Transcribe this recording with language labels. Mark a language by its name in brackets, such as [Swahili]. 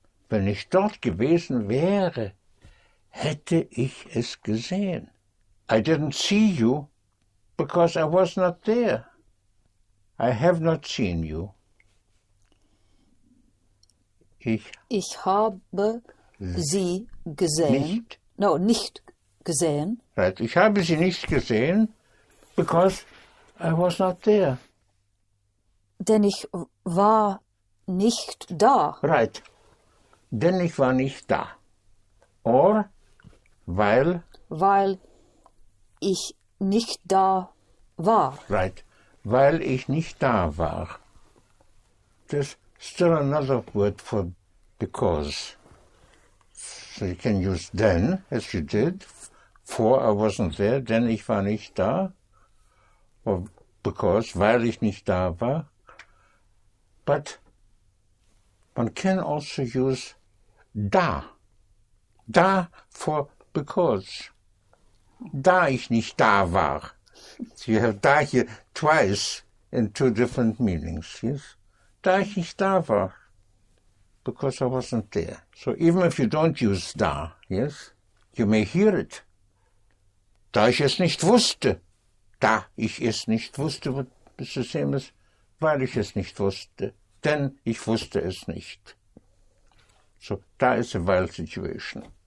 [German] Wenn ich dort gewesen wäre, hätte ich es gesehen. [English] I didn't see you because I was not there. I have not seen you. [German] Ich Ich habe sie gesehen, nicht. no, nicht gesehen. [English] Right. [German] Ich habe sie nicht gesehen [English] because I was not there. [German] Denn ich war nicht da. [English] Right. [German] Denn ich war nicht da. Or, weil, weil ich nicht da war. [English] Right. [German] Weil ich nicht da war. [English] There's still another word for because. So you can use then, as you did. For I wasn't there, [German] denn ich war nicht da. [English] Or because, [German] weil ich nicht da war. [English] But one can also use da. Da for because. [German] Da ich nicht da war. [English] So you have da here twice in two different meanings. Yes? [German] Da ich nicht da war. [English] Because I wasn't there. So even if you don't use da, yes, you may hear it. [German] Da ich es nicht wusste. Da ich es nicht wusste. [English] It's the same as [German] weil ich es nicht wusste. Denn ich wusste es nicht. [English] So da is a while situation.